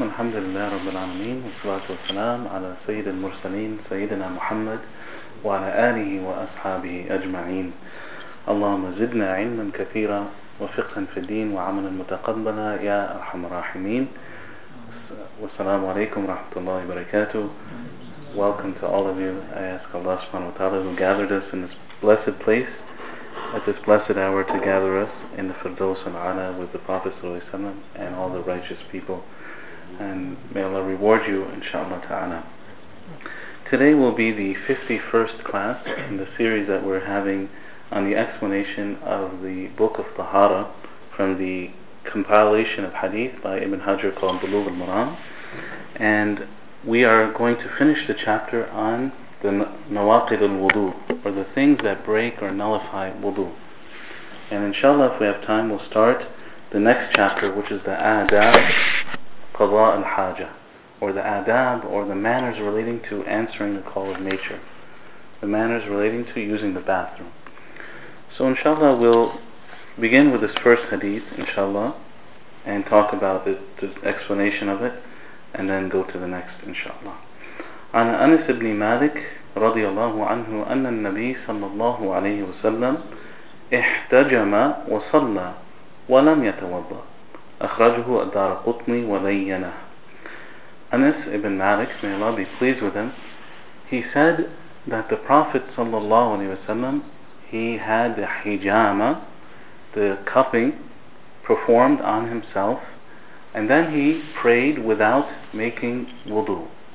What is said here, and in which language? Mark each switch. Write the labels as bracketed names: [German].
[Arabic] الحمد لله رب العالمين، والصلاة والسلام على سيد المرسلين سيدنا محمد وعلى آله وأصحابه أجمعين. اللهم زدنا علما كثيرا وفقها في الدين وعملا متقبلا يا أرحم الراحمين. والسلام عليكم ورحمة الله وبركاته. [English] Welcome to all of you. I ask Allah subhanahu wa ta'ala who gathered us in this blessed place at this blessed hour to gather us in the Firdaus al-Ala with the Prophet and all the righteous people. And may Allah reward you, inshaAllah ta'ala. Today will be the 51st class in the series that we're having on the explanation of the Book of Tahara from the compilation of hadith by Ibn Hajar called Bulugh al-Maram. And we are going to finish the chapter on the nawaqid al-wudu, or the things that break or nullify wudu. And inshallah, if we have time, we'll start the next chapter, which is the adab qada al-haja, or the adab, or the manners relating to answering the call of nature, the manners relating to using the bathroom. So inshallah, we'll begin with this first hadith, inshallah, and talk about the explanation of it, and then go to the next, inshallah. [Arabic] عن أنس بن مالك رضي الله عنه أن النبي صلى الله عليه وسلم احتجم وصلى ولم يتوضأ أخرجه الدارقطني ولينه. [English] أنس بن مالك, may Allah be pleased with him, he said that the Prophet [Arabic] صلى الله عليه وسلم, [English] he had the حجامة, the cupping performed on himself, and then he prayed without making wudu.